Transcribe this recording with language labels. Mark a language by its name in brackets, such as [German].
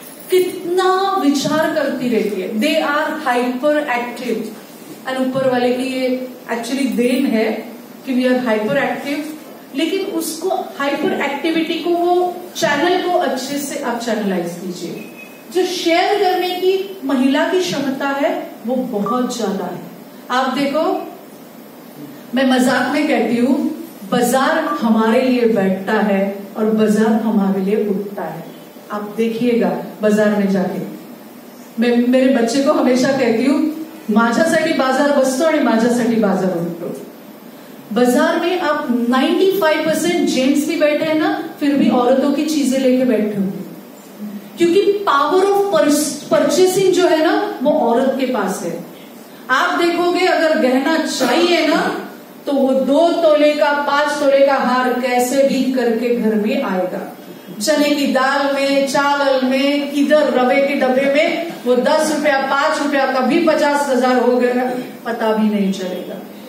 [Hindi] कितना विचार करती रहती है, [English] they are hyperactive, [Hindi] और ऊपर वाले की ये एक्चुअली देन है कि [English] we are hyperactive, [Hindi] लेकिन उसको हाइपर एक्टिविटी को वो चैनल को अच्छे से आप चैनलाइज कीजिए। जो शेयर करने की महिला की क्षमता है वो बहुत ज्यादा है। आप देखो, मैं मजाक में कहती हूं, बाजार हमारे लिए बैठता है और बाजार हमारे लिए उठता है। आप देखिएगा बाजार में जाके, मैं मेरे बच्चे को हमेशा कहती हूं, [Marathi] माझ्यासाठी बाजार बसतो आणि माझ्यासाठी बाजार उठतो। [Hindi] बाजार में आप 95% जेंट्स भी बैठे हैं ना, फिर भी औरतों की चीजें लेके बैठे होंगे, क्योंकि [English] power of purchasing [Hindi] जो है ना वो औरत के पास है। आप देखोगे अगर गहना चाहिए ना तो वो 2 तोले का 5 तोले का हार कैसे भी करके घर में आएगा, चने की दाल में, चावल में, किधर रवे के डब्बे में, वो 10 रुपया 5 रुपया कभी 50,000 हो गया पता भी नहीं चलेगा।